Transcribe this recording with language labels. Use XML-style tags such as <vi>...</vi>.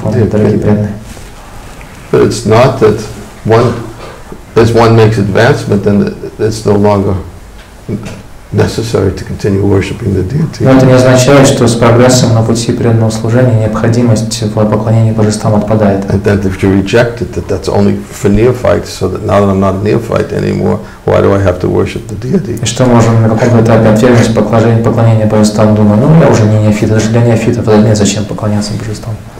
<en>But it's not that as one makes advancement, then it's no longer necessary to continue worshiping the deity.</en> <ru>Но это не означает, что с прогрессом на пути преданного служения необходимость в поклонении божествам отпадает.</ru> <en>And that if you reject it, that's only for neophytes, so that now that I'm not a neophyte anymore, why do I have to worship the deity?</en> <ru>И что можем на каком-то этапе отвергнуть поклонение божествам, думаю, ну я уже не неофит, даже для неофитов, мне зачем поклоняться божествам?</ru>